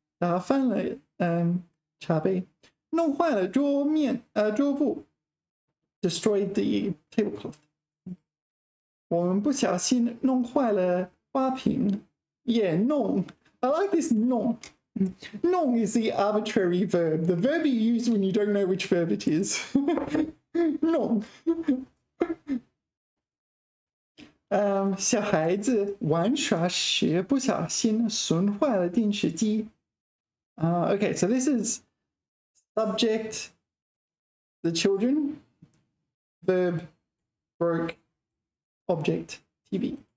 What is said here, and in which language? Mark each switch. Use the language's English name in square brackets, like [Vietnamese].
[Chinese] 打翻了茶杯弄坏了桌面桌布 [English] Destroyed the tablecloth. [Chinese] 我们不小心弄坏了花瓶 [English] Yeah, 弄 I like this 弄Nong is the arbitrary verb, the verb you use when you don't know which verb it is. [Chinese] Nong. 小孩子玩耍时不小心损坏了电视机。 [English] Okay, so this is subject, the children, verb, broke, object, TV.